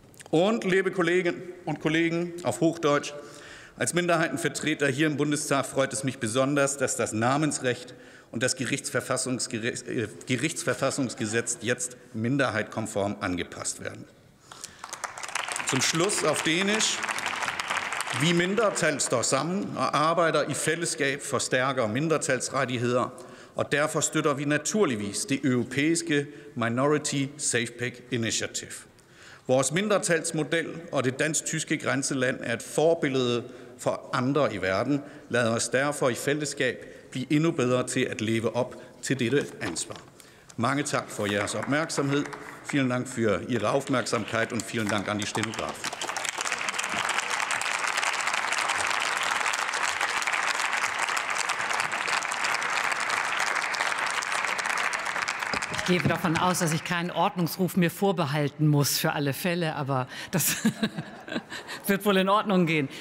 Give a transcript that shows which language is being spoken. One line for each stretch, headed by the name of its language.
German: Und, liebe Kolleginnen und Kollegen, auf Hochdeutsch, als Minderheitenvertreter hier im Bundestag freut es mich besonders, dass das Namensrecht und das Gerichtsverfassungsgesetz jetzt minderheitkonform angepasst werden. Zum Schluss auf Dänisch.
Danish: Vi mindretal står sammen og arbejder i fællesskab for stærkere mindretalsrettigheder, og derfor støtter vi naturligvis det europæiske Minority SafePack Initiative. Vores mindretalsmodel og det dansk-tyske grænseland er et forbillede for andre i verden. Lad os derfor i fællesskab blive endnu bedre til at leve op til dette ansvar. Mange tak for jeres opmærksomhed.
German: Vielen Dank für Ihre Aufmerksamkeit und vielen Dank an die Stenografen. Ich gehe davon aus, dass ich keinen Ordnungsruf mehr vorbehalten muss für alle Fälle, aber das wird wohl in Ordnung gehen.